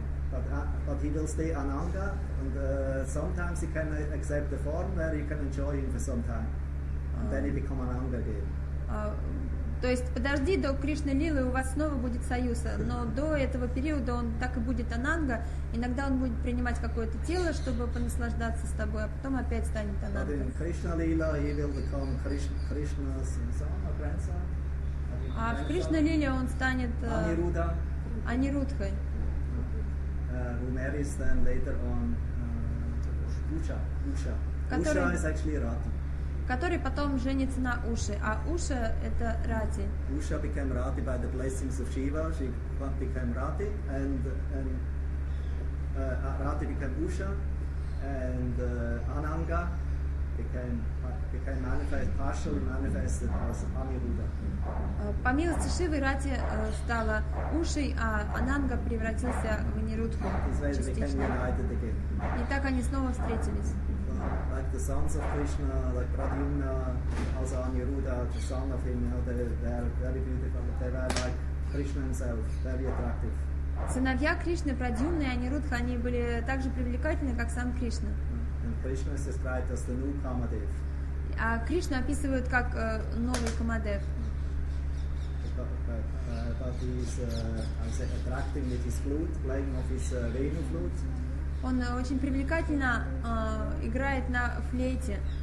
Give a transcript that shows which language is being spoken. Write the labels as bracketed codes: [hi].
[en] But he will stay Ananga, and sometimes he can accept the form where you can enjoy him for some time. And then he become Ananga again. [ru] То есть подожди до Кришна-лилы, у вас снова будет союз, но до этого периода он так и будет Ананга. Иногда он будет принимать какое-то тело, чтобы понаслаждаться с тобой, а потом опять станет Ананга. [en] But in Krishna-lila he will become Krishna's son or grandson. [ru] А в Кришна-лиле он станет Анирудха. Анирудхой. [en] Who marries then later on Usha. [ru] Который... [en] Usha is actually Rati. [ru] Который потом женится на Уше, а Уша это Рати. [en] Usha became Rati by the blessings of Shiva. She became Rati, and Rati became Usha, and Ananga became manifest, partially manifested as Amiruddha. [ru] По милости Шивы Рати стала Ушей, а Ананга превратился в Нирудху частично. И так они снова встретились. [en] Like the sons of Krishna, like Pradyumna, also Aniruddha, the son of him, you know, they are very beautiful, but they were like Krishna himself, very attractive. [ru] Сыновья Кришны, Прадьюмна и Анирудха, они были так же привлекательны, как сам Кришна. [en] And Krishna is described as the new Kamadev. [ru] А Кришна описывают как новый Камадев. [en] About his, I say, attractive with his flute, playing of his Venu flute. [ru] Он очень привлекательно играет на флейте.